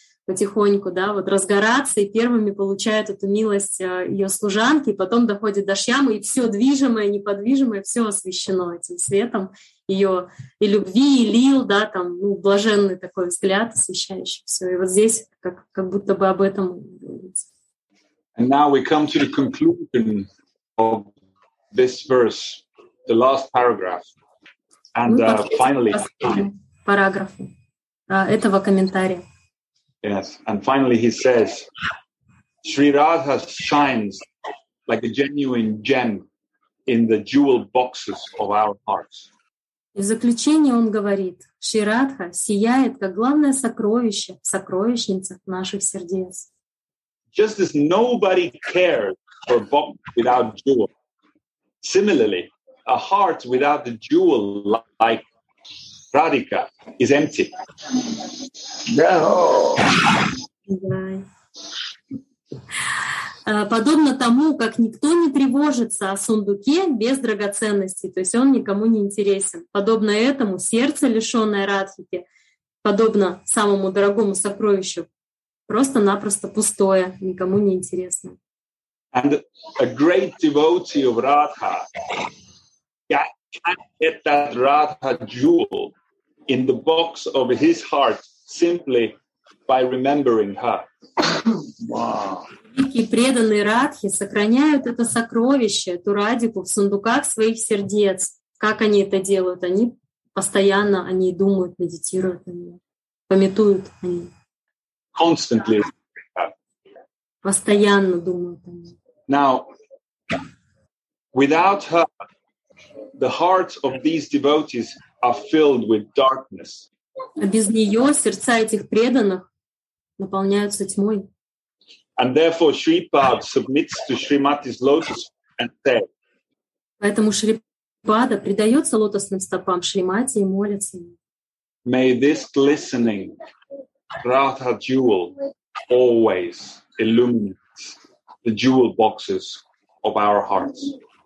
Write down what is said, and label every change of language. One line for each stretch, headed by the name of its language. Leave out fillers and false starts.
Russian: потихоньку, да, вот разгораться, и первыми получают эту милость ее служанки, и потом доходит до шьямы, и все движимое, неподвижимое, все освещено этим светом ее и любви, и лил, да, там, ну, блаженный такой взгляд, освещающий все. И вот здесь как будто бы об этом говорится.
English: And now we come to the conclusion of this verse, the last paragraph, and finally...
Russian: Параграф этого комментария.
English: Yes, and finally he says, Sri Radha shines like a genuine gem in the jewel boxes of our hearts.
Russian: В заключение он говорит, Шри Радха сияет как главное сокровище в сокровищницах наших сердец.
English: Just as nobody cares for box without jewel, similarly, a heart without the jewel like Radhika is empty.
Russian: Подобно тому, как никто не тревожится о сундуке без драгоценностей, то есть он никому не интересен. Подобно этому, сердце, лишенное Радхики, подобно самому дорогому сокровищу, просто-напросто пустое, никому не интересно.
English: And a great devotee of Radha can't get that Radha jewel in the box of his heart simply by remembering her. Wow.
Russian: И преданные Радхи сохраняют это сокровище, эту Радику, в сундуках своих сердец. Как они это делают? Они постоянно о ней думают, медитируют на нее, памятуют о ней.
English: Constantly.
Russian: Постоянно думают о ней.
English: Now, without her, the hearts of these devotees are filled with darkness.
Russian: Без нее сердца этих преданных наполняются тьмой.
English: And therefore, Shri Pad submits to Srimati's lotus and says.
Russian: Поэтому Шри Пада предается лотосным стопам Шримати и молится.
English: May this glistening Radha jewel always illuminate the jewel boxes of our hearts.